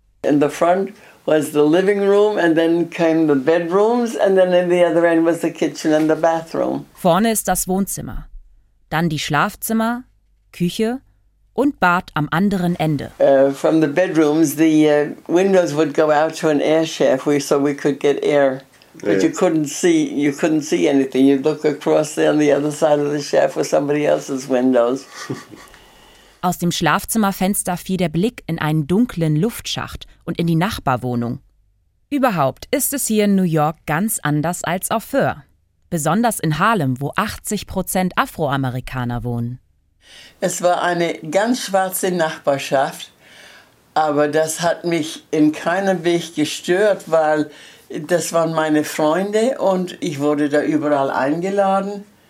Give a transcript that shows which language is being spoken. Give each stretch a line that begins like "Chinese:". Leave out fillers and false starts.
English: In the front was the living room and then came the bedrooms and then in the other end was the kitchen and the bathroom.
German: Vorne ist das Wohnzimmer, dann die Schlafzimmer, Küche und Bad am anderen Ende.
English: From the bedrooms the windows would go out to an air shaft so we could get air. But you couldn't see anything. You'd look across there on the other side of the shaft for somebody else's windows.
German: Aus dem Schlafzimmerfenster fiel der Blick in einen dunklen Luftschacht und in die Nachbarwohnung. Überhaupt ist es hier in New York ganz anders als auf Föhr. Besonders in Harlem, wo 80% Afroamerikaner wohnen. Es war eine ganz schwarze Nachbarschaft, aber das hat mich in keinem Weg gestört, weil das waren meine Freunde und ich wurde da überall eingeladen.